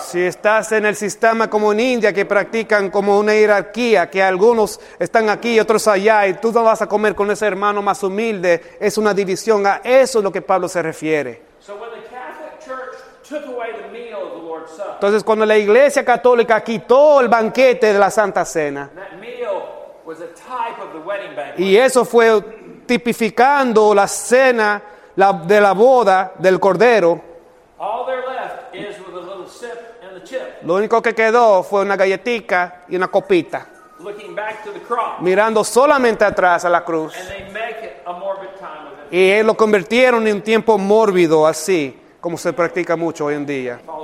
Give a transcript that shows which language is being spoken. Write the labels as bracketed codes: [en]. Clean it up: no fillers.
[es] Si estás en el sistema como en India que practican como una jerarquía que algunos están aquí y otros allá y tú no vas a comer con ese hermano más humilde, es una división, a eso es lo que Pablo se refiere. [en] So when the Catholic Church took away the meal of the Lord's Supper, [es] entonces cuando la iglesia católica quitó el banquete de la Santa Cena, [en] that meal was a type of the wedding banquet. [es] Y eso fue tipificando la cena de la boda del Cordero. [en] All they're left is with a little sip and the chip. [es] Lo único que quedó fue una galletica y una copita. [en] Looking back to the cross. [es] Mirando solamente atrás a la cruz. [en] And they make it a morbid time of it. [es] Y lo convirtieron en un tiempo mórbido, así como se practica mucho hoy en día.